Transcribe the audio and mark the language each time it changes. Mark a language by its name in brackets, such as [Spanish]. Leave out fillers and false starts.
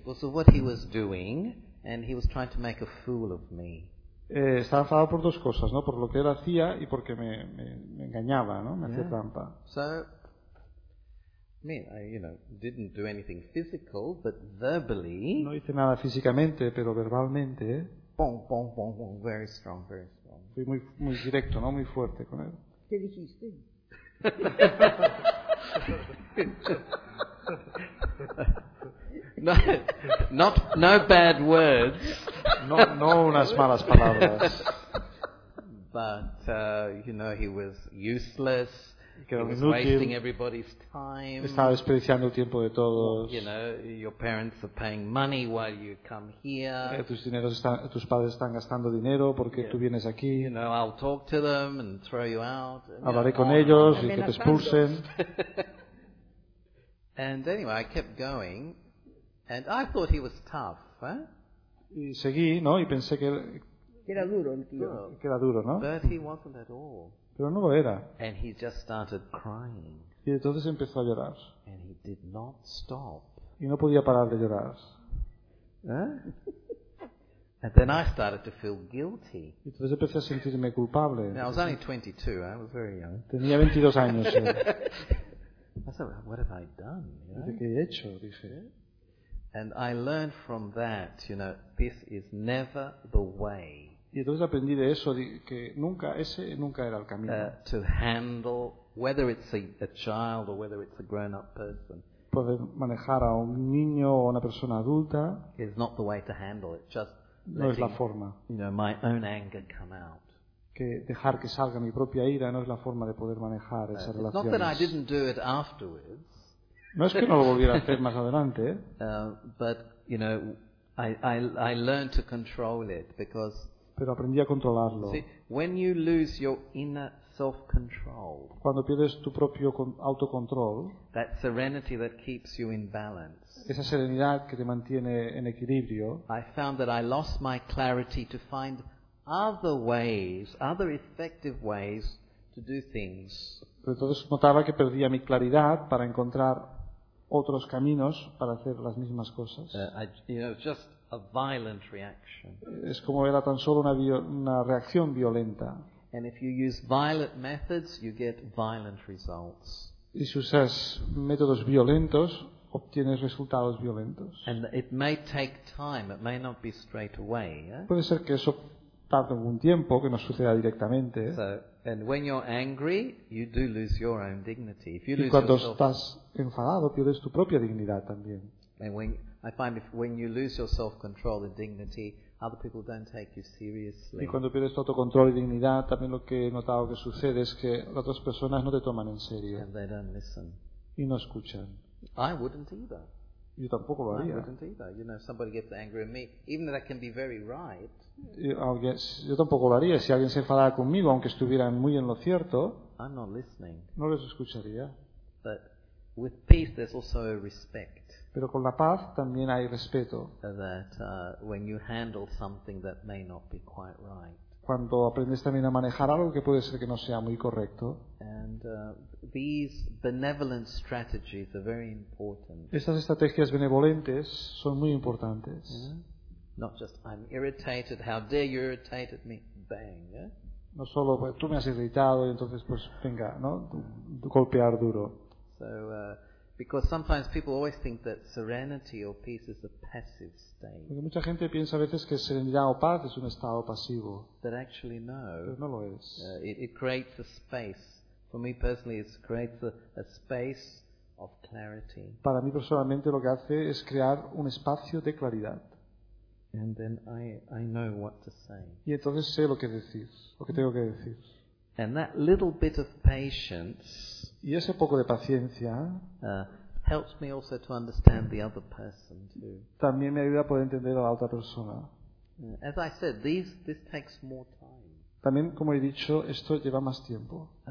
[English] Was what he was doing, and he was trying to make a fool of me. [Spanish] Estaba enfadado por dos cosas, ¿no? Por lo que él hacía y porque me engañaba, ¿no? Me hacía trampa. [English] So, I didn't do anything physical, but verbally. [Spanish] No hice nada físicamente, pero verbalmente. [English] pong, pong, pong, pong, very strong, very strong. [Spanish] Fui muy, muy directo, ¿no? Muy fuerte con él. ¿Qué dijiste? [English] No, not, no bad words. [Spanish] No, no unas malas palabras. [English] But, you know, he was useless. He was wasting everybody's time. [Spanish] Estaba desperdiciando el tiempo de todos. [English] You know, your parents are paying money while you come here. [Spanish] Tus padres están gastando dinero porque tú vienes aquí. [English] You know, I'll talk to them and throw you out. [Spanish] Hablaré con ellos y que te expulsen. [English] And anyway, I kept going, and I thought he was tough. [Spanish] Y seguí, ¿no? Y pensé que era duro el tío. Que era duro, ¿no? [English] But he wasn't at all. [Spanish] Pero no lo era. [English] And he just started crying. [Spanish] Y entonces empezó a llorar. [English] And he did not stop. [Spanish] Y no podía parar de llorar. [English] And then I started to feel guilty. [Spanish] Y entonces empecé a sentirme culpable. [English] Now, I was only 22, I was very young. [Spanish] Tenía 22 años. [English] I said, what have I done? [Spanish] Yeah? ¿Qué he hecho? Dije. [English] And I learned from that, you know, this is never the way. [Spanish] Y entonces aprendí de eso, que nunca, ese nunca era el camino. [English] To handle, whether it's a child or whether it's a grown-up person. [Spanish] Poder manejar a un niño o a una persona adulta. [English] Is not the way to handle it. Just [Spanish] no es la forma. [English] You know, my own anger come out. [Spanish] Que dejar que salga mi propia ira no es la forma de poder manejar esas [English] it's [Spanish] relaciones. [English] Not that I didn't do it afterwards. [Spanish] No es que no lo volviera a hacer más adelante. [English] But, you know, I learned to control it because [Spanish] pero aprendí a controlarlo. [English] See, when you lose your inner self-control, [Spanish] cuando pierdes tu propio autocontrol, [English] that serenity that keeps you in balance, [Spanish] esa serenidad que te mantiene en equilibrio, [English] I found that I lost my clarity to find other ways, other effective ways to do things. [Spanish] Entonces notaba que perdía mi claridad para encontrar otros caminos para hacer las mismas cosas. [English] Just a violent reaction. [Spanish] Es como era tan solo una reacción violenta. [English] And if you use violent methods, you get violent results. [Spanish] Y si usas métodos violentos, obtienes resultados violentos. [English] And it may take time, it may not be straight away. [Spanish] Puede ser que eso tarde algún tiempo, que no suceda directamente. [English] And when you're angry, you do lose your own dignity. If you lose yourself, [Spanish] estás enfadado, pierdes tu propia dignidad también. [English] And when I find if when you lose your self-control and dignity, other people don't take you seriously. [Spanish] Y cuando pierdes tu autocontrol y dignidad, también lo que he notado que sucede es que las otras personas no te toman en serio. [English] And they don't listen. [Spanish] Y no escuchan. [English] I wouldn't either. [Spanish] Yo tampoco lo haría. [English] I wouldn't either. You know, if somebody gets angry at me, even though that can be very right. [Spanish] Yo tampoco lo haría. Si alguien se enfadara conmigo, aunque estuvieran muy en lo cierto, [English] I'm not listening. [Spanish] No les escucharía. [English] But with peace, there's also respect. [Spanish] Pero con la paz también hay respeto. [English] That, when you handle something that may not be quite right. [Spanish] Cuando aprendes también a manejar algo que puede ser que no sea muy correcto. [English] And, these benevolent strategies are very important. [Spanish] Estas estrategias benevolentes son muy importantes. [English] Yeah? Not just I'm irritated, how dare you irritate me? Bang. Yeah? [Spanish] No solo tú me has irritado y entonces pues venga, ¿no? Golpear duro. [English] Because sometimes people always think that serenity or peace is a passive state. [Spanish] Porque mucha gente piensa a veces que serenidad o paz es un estado pasivo. [English] But actually, no. [Spanish] Pero no lo es. [English] It creates a space. For me personally, it creates a space of clarity. [Spanish] Para mí personalmente, lo que hace es crear un espacio de claridad. [English] And then I know what to say. [Spanish] Y entonces sé lo que decir, lo que tengo que decir. [English] And that little bit of patience. [Spanish] Y ese poco de paciencia [English] helps me also to understand the other person too. [Spanish] También me ayuda a poder entender a la otra persona. [English] As I said, this takes more time. [Spanish] También, como he dicho, esto lleva más tiempo.